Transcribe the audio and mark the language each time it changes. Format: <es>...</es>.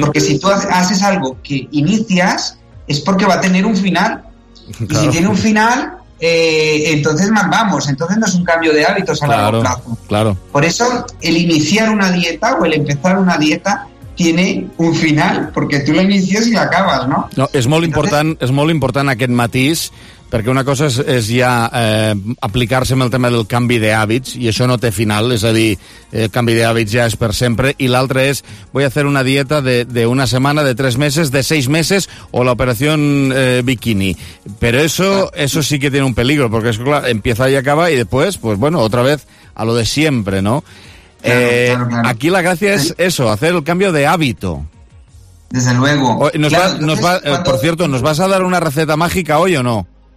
<es>Porque si tú haces algo que inicias, es porque va a tener un final. Claro. Y si tiene un final, entonces más vamos. Entonces no es un cambio de hábitos a largo plazo. Claro. Por eso, el iniciar una dieta o el empezar una dieta tiene un final, porque tú la inicies y la acabas, ¿no?</es> <ca>No, és molt important, és molt important aquest matís, perquè una cosa és ja aplicar-se amb el tema del canvi d'hàbits, i això no té final, és a dir, el canvi d'hàbits ja és per sempre, i l'altre és,</ca> <es>voy a hacer una dieta de una setmana, de tres meses, de seis meses, o la operació bikini. Però eso, eso sí que tiene un peligro, porque es claro, empieza y acaba, y después, pues bueno, otra vez a lo de siempre, ¿no? Claro, claro, claro. Aquí la gracia es eso, hacer el cambio de hábito. Desde luego. Por cierto, ¿nos vas a dar una receta mágica hoy o no?</es>